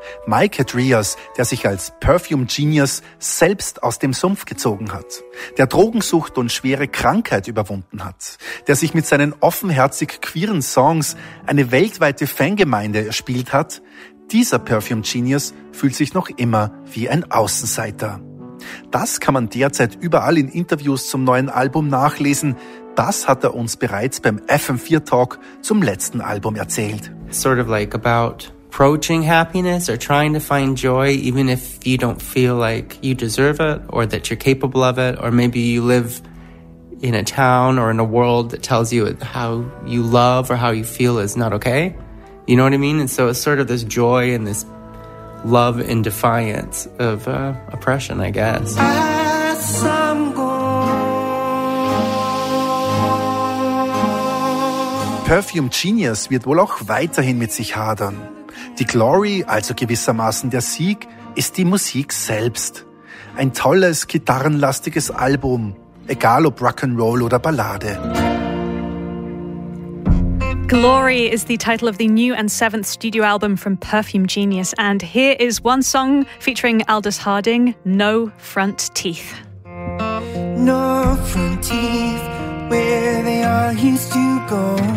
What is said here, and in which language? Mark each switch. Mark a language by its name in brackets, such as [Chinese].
[German] Mike Hadrius, der sich als Perfume Genius selbst aus dem Sumpf gezogen hat, der Drogensucht und schwere Krankheit überwunden hat, der sich mit seinen offenherzig queeren Songs eine weltweite Fangemeinde erspielt hat, dieser Perfume Genius fühlt sich noch immer wie ein Außenseiter. Das kann man derzeit überall in Interviews zum neuen Album nachlesen. Das hat er uns bereits beim FM4 Talk zum letzten Album erzählt. [English] Sort of like about approaching happiness or trying to find joy, even if you don't feel like you deserve it or that you're capable of it, or maybe you live in a town or in a world that tells you how you love or how you feel is not okay. You know what I mean? And so it's sort of this joy and this love in defiance of oppression, I guess. [German] Perfume Genius wird wohl auch weiterhin mit sich hadern. Die Glory, also gewissermaßen der Sieg, ist die Musik selbst. Ein tolles, gitarrenlastiges Album, egal ob Rock'n'Roll oder Ballade. [English] Glory is the title of the new and 7th studio album from Perfume Genius. And here is one song featuring Aldous Harding, No Front Teeth. No front teeth, where they are used to go.